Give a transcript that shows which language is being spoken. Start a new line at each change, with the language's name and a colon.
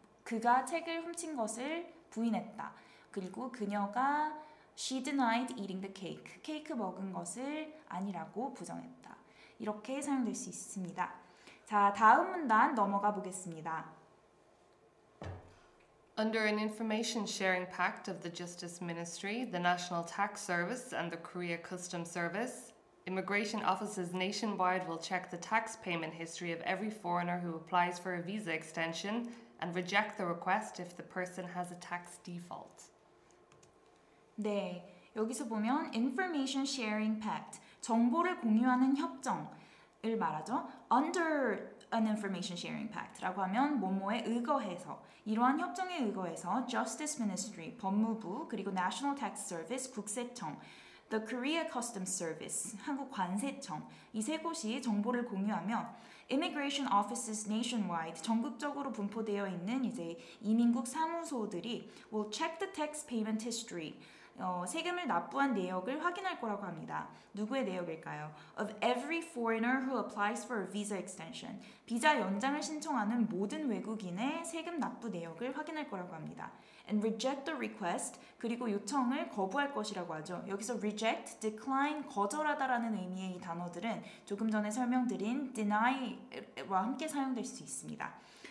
Korean: 그가 책을 훔친 것을 부인했다. 그리고 그녀가
English: She denied eating the cake.
Korean: 케이크 먹은 것을 아니라고 부정했다. 이렇게 사용될 수 있습니다. 자, 다음 문단 넘어가 보겠습니다.
English: Under an information sharing pact of the Justice Ministry, the National Tax Service, and the Korea Customs Service, Immigration offices nationwide will check the tax payment history of every foreigner who applies for a visa extension and reject the request if the person has a tax default.
Korean: 네, 여기서 보면 information sharing pact, 정보를 공유하는 협정을 말하죠.
English: Under an information sharing pact
Korean: 라고 하면 뭐뭐에 의거해서 이러한 협정에 의거해서 Justice Ministry, 법무부, 그리고 National Tax Service, 국세청, The Korea Customs Service, 한국 관세청 이 세 곳이 정보를 공유하며 Immigration Offices Nationwide, 전국적으로 분포되어 있는 이제 이민국 사무소들이
English: will check the tax payment history,
Korean: 세금을 납부한 내역을 확인할 거라고 합니다. 누구의 내역일까요?
English: Of every foreigner who applies for a visa extension.
Korean: 비자 연장을 신청하는 모든 외국인의 세금 납부 내역을 확인할 거라고 합니다.
English: And reject the request,
Korean: 그리고 요청을 거부할 것이라고 하죠. 여기서 reject, decline, 거절하다라는 의미의 이 단어들은 조금 전에 설명드린 deny와 함께 사용될 수 있습니다.